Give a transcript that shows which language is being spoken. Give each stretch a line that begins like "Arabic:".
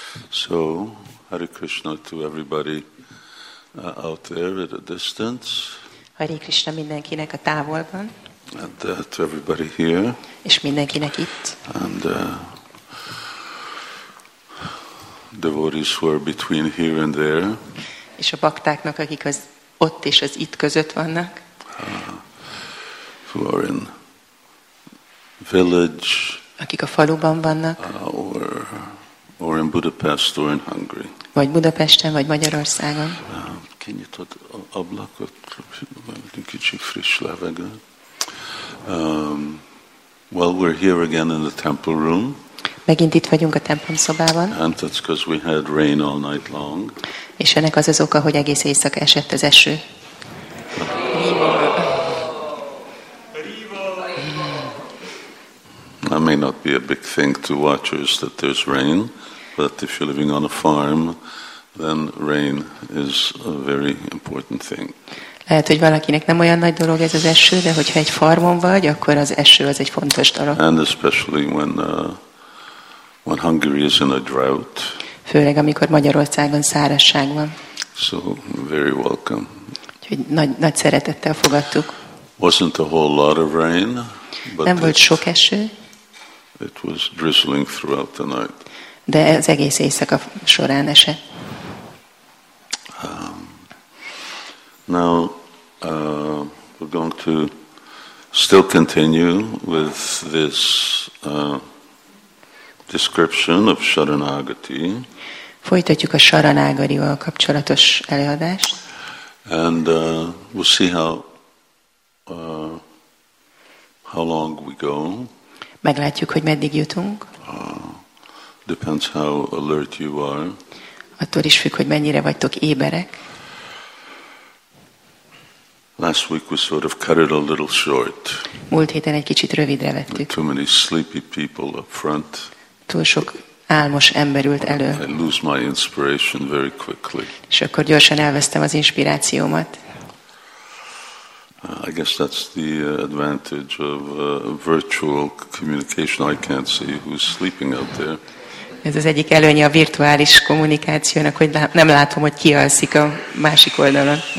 English: So, Hare Krishna to everybody out there at a distance.
Hungarian: Hare Krishna mindenkinek a távolban.
English: And to everybody here.
Hungarian: És mindenkinek itt.
English: And devotees who are between here and there.
Hungarian: És a baktáknak, akik az ott és az itt között vannak.
English: Who are in village.
Hungarian: Akik a faluban vannak.
English: Or in Budapest or in Hungary.
Hungarian: Vagy Budapesten, vagy Magyarországon. Kinyitott ablakot, kicsi friss levegő.
English: Well, we're here again in the temple room.
Hungarian: Megint itt vagyunk a templom szobában.
English: And that's because we had rain all night long.
Hungarian: És ennek az az oka, hogy egész éjszaka esett az eső.
English: That may not be a big thing to watchers that there's rain. But if you're living on a farm, then rain is a very important thing.
Hungarian: Lehet, hogy valakinek nem olyan nagy dolog ez az eső, de hogyha egy farmon vagy, akkor az eső az egy fontos dolog.
English: And especially when Hungary is in a drought.
Hungarian: Főleg amikor Magyarországon szárazság van.
English: So very welcome.
Hungarian: Úgyhogy nagy szeretettel fogadtuk.
English: Wasn't a whole lot of rain, but
Hungarian: nem volt sok eső.
English: It was drizzling throughout the night.
Hungarian: De az egész éjszaka során esett.
English: Now we're going to still continue with this description of Saranagati.
Hungarian: Folytatjuk a Saranagarival kapcsolatos előadást.
English: And we'll see how long we go.
Hungarian: Meglátjuk, hogy meddig jutunk.
English: Depends how alert you are.
Hungarian: Attól is függ, hogy mennyire vagytok éberek.
English: Last week we sort of cut it a little short.
Hungarian: Múlt héten egy kicsit rövidre vettük.
English: Too many sleepy people up front.
Hungarian: Túl sok álmos ember ült elő.
English: I lose my inspiration very quickly.
Hungarian: És akkor gyorsan elvesztem az inspirációmat.
English: I guess that's the advantage of virtual communication. I can't see who's sleeping out there.
Hungarian: Ez az egyik előnye a virtuális kommunikációnak, hogy nem látom, hogy ki alszik a másik oldalon.